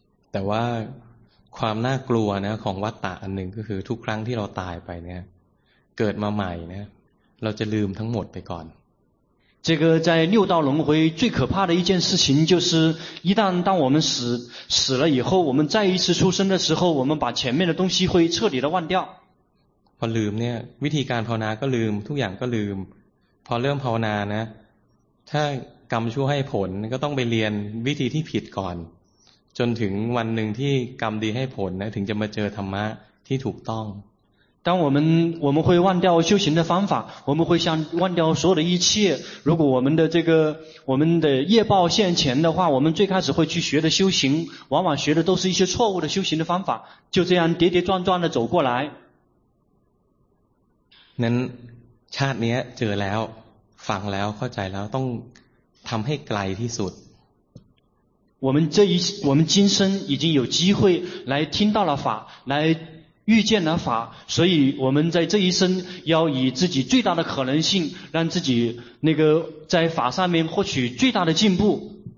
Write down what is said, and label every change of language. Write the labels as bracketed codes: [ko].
[th] แต่ว่าความน่ากลัวนะของวัฏฏะอันหนึ่งก็คือทุกครั้งที่เราตายไปเนี่ยเกิดมาใหม่นะเราจะลืมทั้งหมดไปก่อน [zh] 这个在六道轮回最可怕的一件事情就是一旦当我们死了以后我们再一次出生的时候我们把前面的东西会彻底的忘掉 [th] พอลืมเนี่ยวิธีการภาวนาก็ลืมทุกอย่างก็ลืมพอเริ่มภาวนานะถ้ากรรมชั่วให้ผลก็ต้องไปเรียนวิธีที่ผิดก่อนจนถึงวันหนึ่งที่กรรมดีให้ผลนะถึงจะมาเจอธรรมะที่ถูกต้อง [zh] 当我们会忘掉修行的方法我们会像忘掉所有的一切如果我们的业报现前的话我们最开始会去学的修行往往学的都是一些错误的修行的方法就这样跌跌撞撞的走过来 [th] นั้นชาตินี้เจอแล้วฟังแล้วเข้าใจแล้วต้องทำให้ไกลที่สุด [zh] 我们今生已经有机会来听到了法来遇见了法所以我们在这一生要以自己最大的可能性让自己那个在法上面获取最大的进步